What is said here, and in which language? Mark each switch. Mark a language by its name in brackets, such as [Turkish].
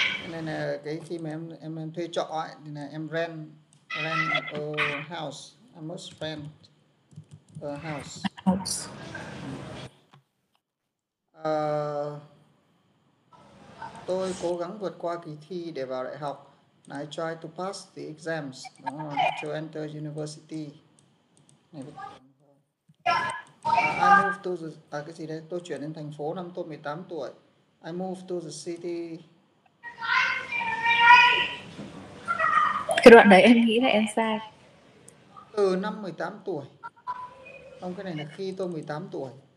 [Vietnamese] Nên là cái khi mà em thuê trọ ấy, thì là em [English] rent a house, I must rent a house. [Vietnamese] Tôi cố gắng vượt qua kỳ thi để vào đại học. [English] I try to pass the exams to enter university. I move to the [Vietnamese] cái gì đấy? Tôi chuyển đến thành phố năm tôi 18 tuổi. [English] I move to the city. [Vietnamese] Cái đoạn đấy em nghĩ là em sai. Từ năm 18 tuổi. Không, cái này là khi tôi 18 tuổi.